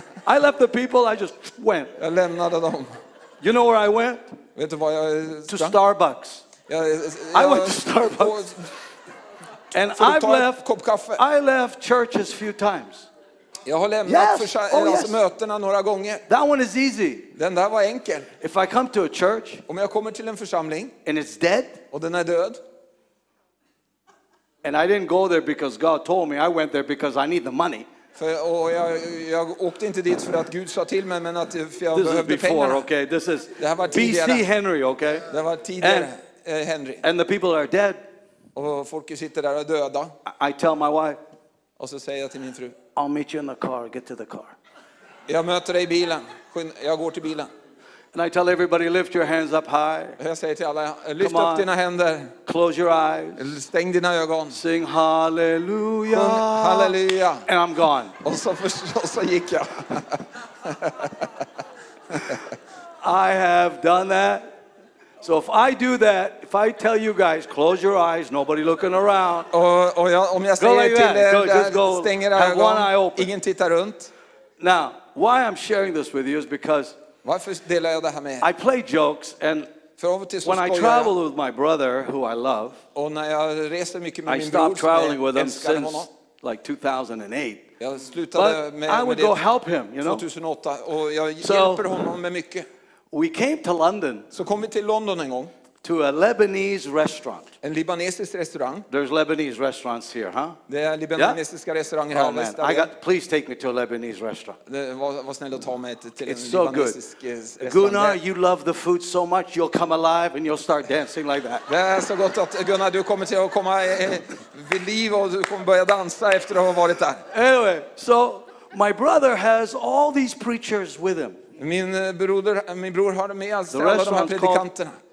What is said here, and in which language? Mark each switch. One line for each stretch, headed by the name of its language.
English: I left the people, I just went.
Swedish: Jag lämnade dem.
English: You know where I went?
Swedish: Vet du var jag sprang?
English: To Starbucks. I went to Starbucks. And I left churches a few times.
Swedish: Jag har lämnat mötena några gånger.
English: That one is easy.
Swedish: Den där var enkel.
English: If I come to a church,
Swedish: om jag kommer till en församling
English: and it's dead,
Swedish: och den är död.
English: And I didn't go there because God told me. I went there because I need the money.
Swedish: För och jag åkte inte dit för att Gud sa till mig, men att jag behövde pengar.
English: This is before, okay? This is BC Henry, okay?
Swedish: Det var tidigare Henry.
English: And the people are dead.
Swedish: Och folk sitter där och döda.
English: I tell my wife.
Swedish: Och så säger jag till min fru.
English: I'll meet you in the car. Get to the car.
Swedish: Jag möter dig i bilen. Jag går till bilen.
English: And I tell everybody, lift your hands up high.
Swedish: Jag säger till alla, lyft upp dina händer.
English: Close your eyes.
Swedish: Stäng dina ögon.
English: Sing hallelujah. Hallelujah. And I'm gone.
Swedish: Och så gick jag.
English: I have done that. So if I do that, if I tell you guys, close your eyes, nobody looking around.
Swedish: Om jag säger till er, stäng era ögon. Ingen tittar runt.
English: Now, why I'm sharing this with you is because
Swedish: varför delar jag det här med?
English: I play jokes, and when I travel with my brother, who I love,
Swedish: och när jag reser mycket med min bror,
English: I stopped traveling with him since like 2008.
Swedish: Jag slutade med
English: I would go help him, you know.
Swedish: 2008, och jag hjälper honom med mycket.
English: We came to London.
Swedish: Så kom vi till London en gång.
English: To a Lebanese restaurant.
Swedish: En libanesisk restaurang.
English: There's Lebanese restaurants here, huh?
Swedish: Det är libanesiska restauranger här.
English: Please take me to a Lebanese restaurant.
Swedish: Var snäll och ta mig till en libanesisk.
English: It's so good. Gunnar, you love the food so much, you'll come alive and you'll start dancing like that.
Swedish: Det är så gott att Gunnar, du kommer till att komma vid liv och du kommer börja dansa efter att ha varit där.
English: Anyway, so my brother has all these preachers with him.
Swedish: Min bror har med alla de här predikanterna.